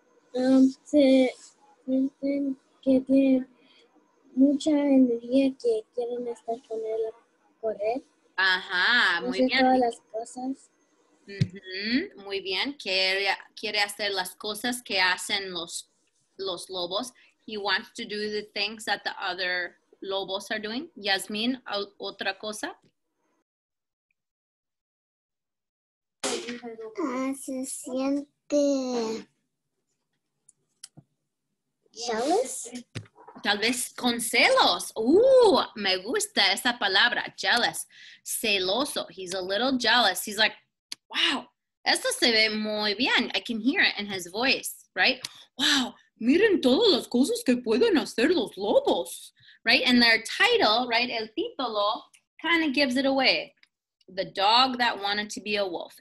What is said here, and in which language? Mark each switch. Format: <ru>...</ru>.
<es>Sienten que tienen mucha energía, que quieren estar con él a correr. Ajá, muy hacer bien. Hacer todas las cosas. Muy bien. Quiere hacer las cosas que hacen los lobos.</es> <en>He wants to do the things that the other lobos are doing.</en> <es>Yasmin, ¿otra cosa? Se siente...</es> <en>Jealous?</en> <es>Tal vez con celos. Me gusta esa palabra. Jealous. Celoso.</es> <en>He's a little jealous. He's like, wow,</en> <es>eso se ve muy bien.</es> <en>I can hear it in his voice, right? Wow,</en> <es>miren todas las cosas que pueden hacer los lobos,</es> <en>right? And their title, right, el título, kind of gives it away. The dog that wanted to be a wolf.</en>